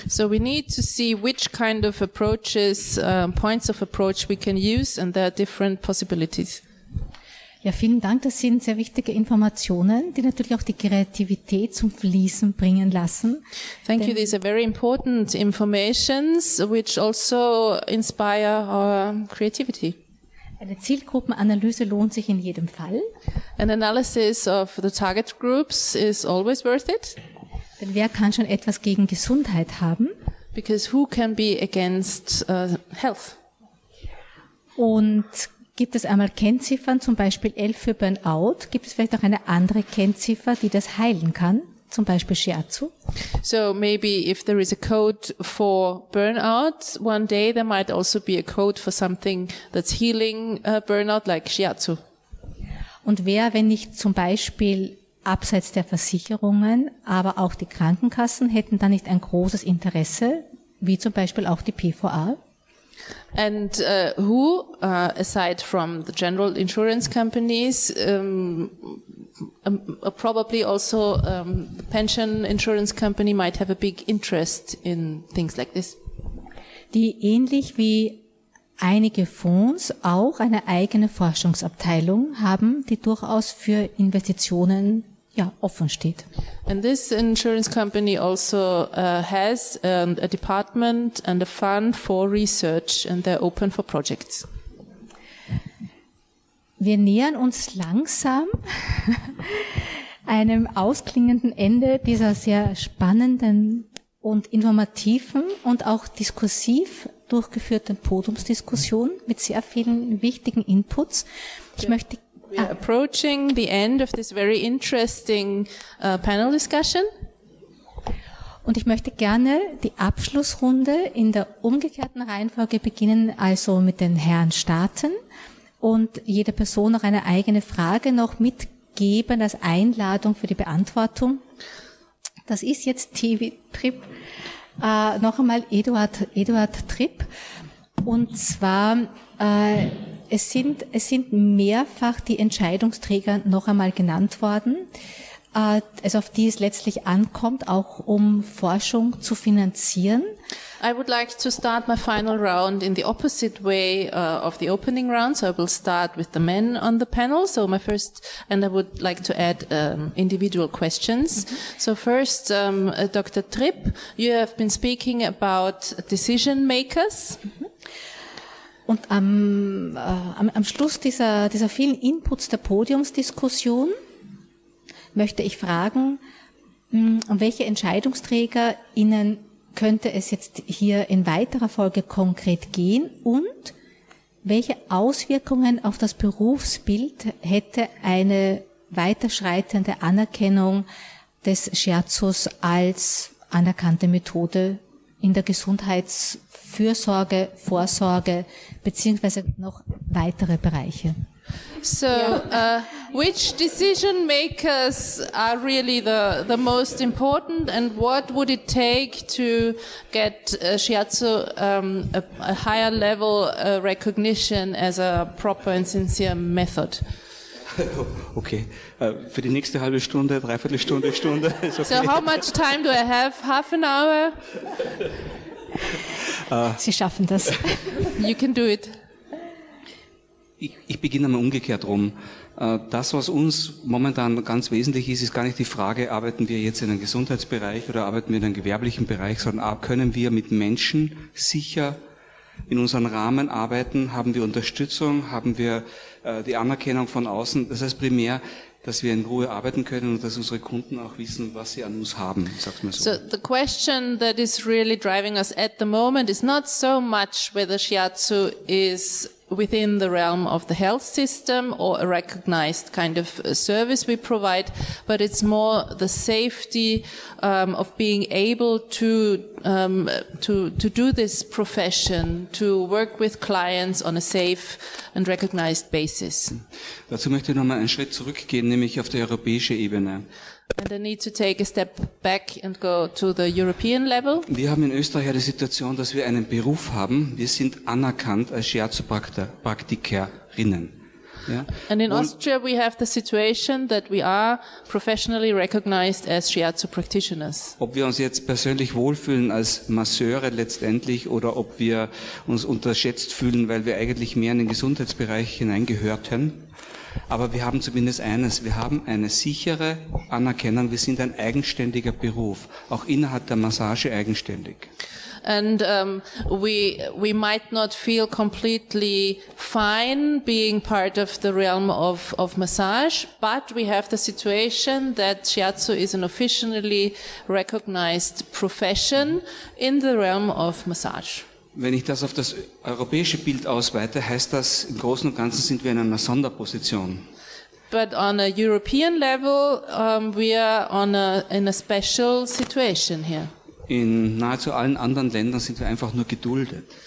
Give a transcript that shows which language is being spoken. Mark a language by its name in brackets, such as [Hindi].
[English] So we need to see which kind of approaches, points of approach we can use, and there are different possibilities. [German] Ja, vielen Dank. Das sind sehr wichtige Informationen, die natürlich auch die Kreativität zum Fließen bringen lassen. [English] Thank you. These are very important informations, which also inspire our creativity. [German] Eine Zielgruppenanalyse lohnt sich in jedem Fall. [English] An analysis of the target groups is always worth it. [German] Denn wer kann schon etwas gegen Gesundheit haben? [English] Because who can be against health? [German] Und gibt es einmal Kennziffern, zum Beispiel 11 für Burnout? Gibt es vielleicht auch eine andere Kennziffer, die das heilen kann, zum Beispiel Shiatsu? [English] So maybe if there is a code for burnout, one day there might also be a code for something that's healing burnout, like Shiatsu. [German] Und wer, wenn nicht zum Beispiel abseits der Versicherungen, aber auch die Krankenkassen, hätten da nicht ein großes Interesse, wie zum Beispiel auch die PVA? [English] And who, aside from the general insurance companies, probably also the pension insurance company might have a big interest in things like this. [German] Die ähnlich wie einige Fonds auch eine eigene Forschungsabteilung haben, die durchaus für Investitionen offen steht. [English] And this insurance company also has a department and a fund for research, and they're open for projects. [German] Wir nähern uns langsam einem ausklingenden Ende dieser sehr spannenden und informativen und auch diskursiv durchgeführten Podiumsdiskussion mit sehr vielen wichtigen Inputs. [English] We are approaching the end of this very interesting panel discussion. [German] Und ich möchte gerne die Abschlussrunde in der umgekehrten Reihenfolge beginnen, also mit den Herren starten und jede Person noch eine eigene Frage noch mitgeben als Einladung für die Beantwortung. das ist jetzt TV Trip, noch einmal Eduard Trip. Und zwar, es sind mehrfach die Entscheidungsträger noch einmal genannt worden, also auf die es letztlich ankommt, auch um Forschung zu finanzieren. [English] I would like to start my final round in the opposite way of the opening round. So I will start with the men on the panel. So my first, and I would like to add individual questions. Mm-hmm. So first, Dr. Tripp, you have been speaking about decision makers. Mm-hmm. [German] Und am Schluss dieser vielen Inputs der Podiumsdiskussion möchte ich fragen, welche Entscheidungsträger Ihnen könnte es jetzt hier in weiterer Folge konkret gehen und welche Auswirkungen auf das Berufsbild hätte eine weiterschreitende Anerkennung des Scherzos als anerkannte Methode in der Gesundheitsfürsorge, Vorsorge beziehungsweise noch weitere Bereiche? [English] So, which decision makers are really the most important, and what would it take to get Shiatsu a higher level recognition as a proper and sincere method? [German] Okay, für die nächste halbe Stunde, dreiviertel Stunde, Stunde. [English] So, how much time do I have? Half an hour? [German] Sie schaffen das. [English] You can do it. [German] Ich beginne mal umgekehrt rum. Das, was uns momentan ganz wesentlich ist gar nicht die Frage, arbeiten wir jetzt in einem Gesundheitsbereich oder arbeiten wir in einem gewerblichen Bereich, sondern können wir mit Menschen sicher in unseren Rahmen arbeiten? Haben wir Unterstützung? Haben wir die Anerkennung von außen? Das heißt primär, dass wir in Ruhe arbeiten können und dass unsere Kunden auch wissen, was sie an uns haben, sag's mal so. [English] So the question that is really driving us at the moment is not so much whether Shiatsu is within the realm of the health system or a recognized kind of service we provide, but it's more the safety of being able to do this profession, to work with clients on a safe and recognized basis. [German] Dazu möchte ich nochmal einen Schritt zurückgehen, nämlich auf der europäische Ebene. [English] And I need to take a step back and go to the European level. [German] Wir haben in Österreich ja die Situation, dass wir einen Beruf haben. Wir sind anerkannt als Scherzopraktikerinnen. Ja? [English] And in Austria we have the situation that we are professionally recognized as Shiatsu practitioners. [German] Ob wir uns jetzt persönlich wohlfühlen als Masseure letztendlich oder ob wir uns unterschätzt fühlen, weil wir eigentlich mehr in den Gesundheitsbereich hineingehörten. Aber wir haben zumindest eines, wir haben eine sichere Anerkennung, wir sind ein eigenständiger Beruf, auch innerhalb der Massage eigenständig. [English] And we might not feel completely fine being part of the realm of massage, but we have the situation that Shiatsu is an officially recognized profession in the realm of massage. [German] Wenn ich das auf das europäische Bild ausweite, heißt das, im Großen und Ganzen sind wir in einer Sonderposition. [English] But on a European level, we are in a special situation here. [German] In nahezu allen anderen Ländern sind wir einfach nur geduldet.